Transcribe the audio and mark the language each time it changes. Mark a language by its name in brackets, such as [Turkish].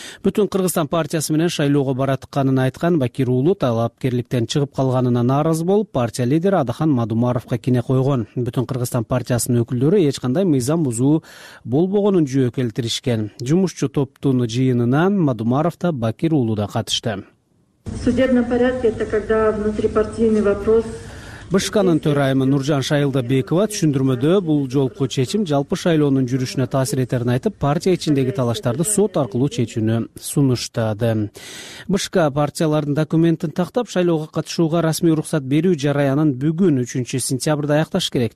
[Kyrgyz] Бүтүн Кыргызстан партиясы менен шайлоого баратканын айткан Бакир уулу талапкерликтен чыгып калганына нааразы болуп, партия лидери Адахан Мадумаровко кине койгон. Бүтүн Кыргызстан партиясынын өкүлдөрү эч кандай мыйзам бузуу болбогонун жөөкөлтүрүшкөн. Жумушчу топтун жыйынына Мадумаров да, Бакир уулу да катышты. [Russian] Судебный порядок это когда внутрипартийный вопрос. [Kyrgyz] БШКнын төрайымы Нуржан Шайылдабекова түшүндүрмөдө бул жолку чечим жалпы шайлоонун жүрүшүнө таасир этерин айтып, партия ичиндеги талаштарды сот аркылуу чечүүнү сунуштады. БШК партиялардын документин тактап, шайлоого катышууга расмий уруксат берүү жараянын бүгүн 3-сентябрда аякташ керек.